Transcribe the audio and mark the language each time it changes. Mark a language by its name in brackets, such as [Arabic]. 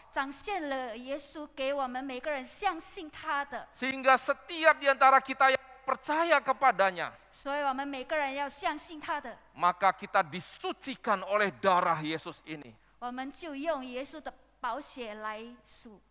[Chinese] 展现了耶稣给我们每个人相信他的 [Indonesian] sehingga setiap diantara kita yang percaya kepadanya [Chinese] 所以我们每个人要相信他的 [Indonesian] maka kita disucikan oleh darah Yesus ini [Chinese] 我们就用耶稣的宝血来赎